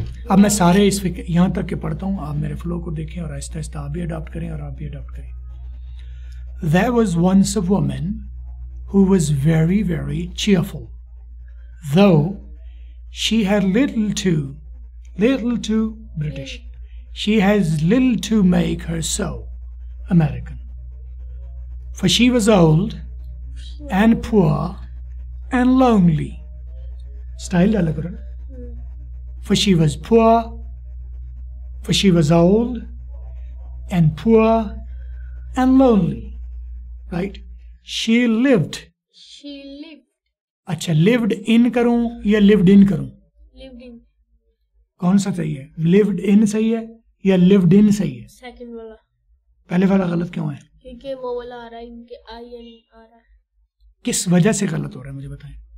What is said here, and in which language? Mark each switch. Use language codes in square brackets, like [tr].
[hi] अब मैं सारे इस फिक्र यहां तक के पढ़ता हूं, आप मेरे फ्लो को देखें और आहिस्ता आहिस्ता आप भी अडॉप्ट करें और आप भी अडॉप्ट करें। [en] There was once a woman who was very, very cheerful, though she had little to British. She has little to make her so American. For she was old and poor and lonely. [hi] Style डाला करो। [en] For she was poor, for she was old, and poor, and lonely, right? She lived. She lived. [hi] अच्छा lived in करूं या lived in करूं? [en] Lived in. [hi] कौन सा सही है? Lived in सही है या lived in सही है? Second वाला. पहले वाला गलत क्यों है? क्योंकि वो वाला आ रहा है, इनके I N आ रहा है. किस वजह से गलत हो रहा है मुझे बताएं?